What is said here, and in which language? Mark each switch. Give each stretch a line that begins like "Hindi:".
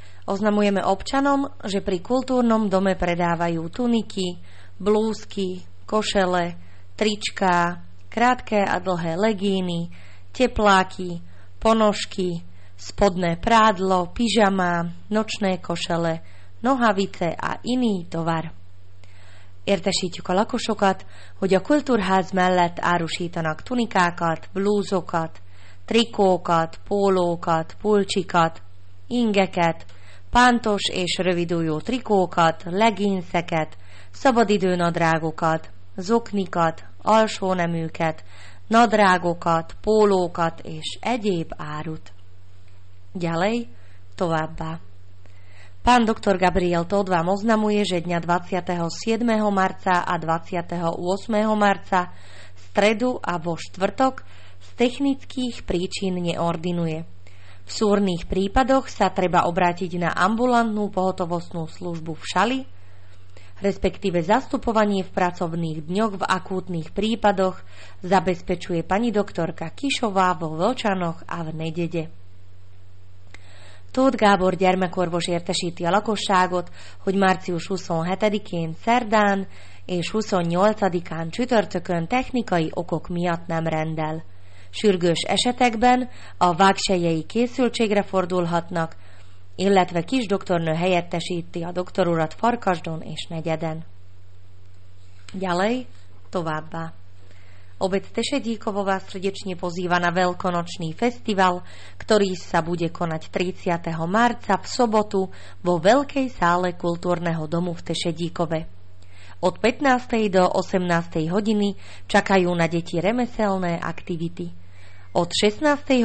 Slovak: Oznamujeme občanom, že pri kultúrnom dome predávajú tuniky, blúzky, košele, trička, krátke a dlhé legíny, tepláky, ponožky, spodné prádlo, pyžama, nočné košele, nohavice a iný tovar.
Hungarian: Értesítjük a lakosokat, hogy a kultúrház mellett árusítanak tunikákat, blúzokat, trikókat, pólókat, pulcsikat, ingeket, pántos és rövidújú trikókat, leginszeket, szabadidőnadrágokat, zoknikat, alsóneműket, nadrágokat, pólókat és egyéb árut.
Slovak: Ďalej,
Hungarian: továbbá.
Slovak: Pán doktor Gabriel Todd vám oznamuje, že dňa 27. marca a 28. marca, stredu a vo štvrtok, z technických príčin neordinuje. V súrnych prípadoch sa treba obrátiť na ambulantnú pohotovostnú službu v Šali, respektíve zastupovanie v pracovných dňoch v akútnych prípadoch zabezpečuje pani doktorka Kišová vo Vlčanoch a v Nedede.
Hungarian: Tóth Gábor gyermekorvos értesíti a lakosságot, hogy március 27-én szerdán és 28-án csütörtökön technikai okok miatt nem rendel. Sürgős esetekben a vágsejjei készültségre fordulhatnak, illetve kis doktornő helyettesíti a doktorurat Farkasdon és Negyeden.
Slovak: Ďalej,
Hungarian: továbbá.
Slovak: Obec Tešedíkovo vás srdečne pozýva na veľkonočný festival, ktorý sa bude konať 30. marca v sobotu vo Veľkej sále kultúrneho domu v Tešedíkove. Od 15. do 18. hodiny čakajú na deti remeselné aktivity. Od 16.